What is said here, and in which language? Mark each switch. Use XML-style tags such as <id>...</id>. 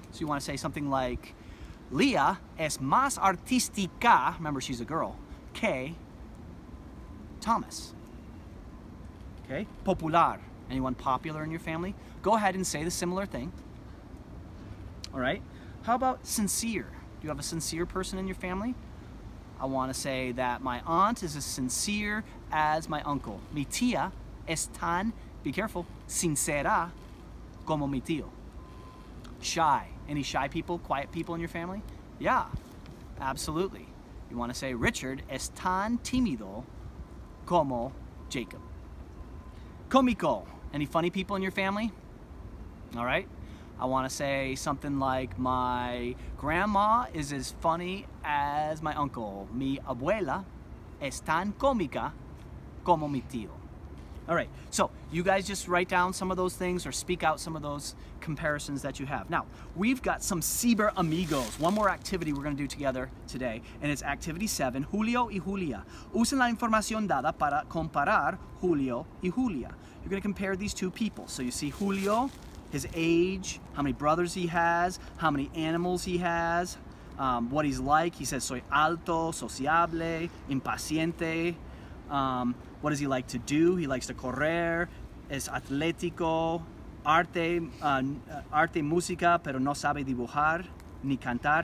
<en>So you want to say something like, Leah</en> <es>es más artística,</es> <en>remember she's a girl, que Thomas. Okay, popular. Anyone popular in your family? Go ahead and say the similar thing. All right, how about sincere? Do you have a sincere person in your family? I want to say that my aunt is as sincere as my uncle.</en> <es>Mi tía es tan,</es> <en>be careful,</en> <es>sincera como mi tío.</es> <en>Shy. Any shy people, quiet people in your family? Yeah, absolutely. You want to say, Richard</en> <es>es tan tímido como</es> <en>Jacob. Cómico. Any funny people in your family? All right. I want to say something like, my grandma is as funny as my uncle.</en> <es>Mi abuela es tan cómica como mi tío.</es> <en>All right, so you guys just write down some of those things or speak out some of those comparisons that you have. Now, we've got some Ciber Amigos. One more activity we're gonna do together today, and it's activity 7, Julio y Julia.</en> <es>Usen la información dada para comparar Julio y Julia.</es> <en>You're gonna compare these two people. So you see Julio, his age, how many brothers he has, how many animals he has, what he's like. He says,</en> <es>soy alto, sociable, impaciente.</es> <en>What does he like to do? He likes to</en> <es>correr, es atlético, arte, música, pero no sabe dibujar ni cantar.</es>